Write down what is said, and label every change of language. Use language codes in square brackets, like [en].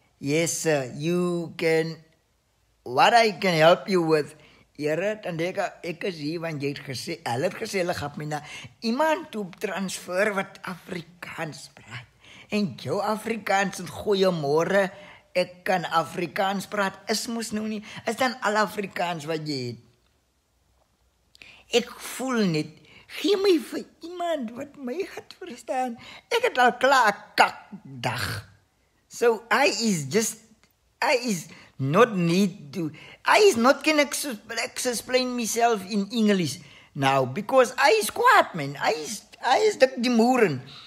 [en] Yes sir, you can, what I can help you with. [af] Jere, Tandeka, ek is hier, want jy het gesê, hulle het gesê, hulle gaf my na iemand toe transfer wat Afrikaans praat. En jou Afrikaans, en goeiemorgen, ek kan Afrikaans praat, is moes nou nie, is dan al Afrikaans wat jy het. Ek voel net, gee my vir iemand wat my gaat verstaan, ek het al klaar een kakdag. [en] So I is just, I is not need to, I is not can explain myself in English now, because I is quiet man, I is the demurin.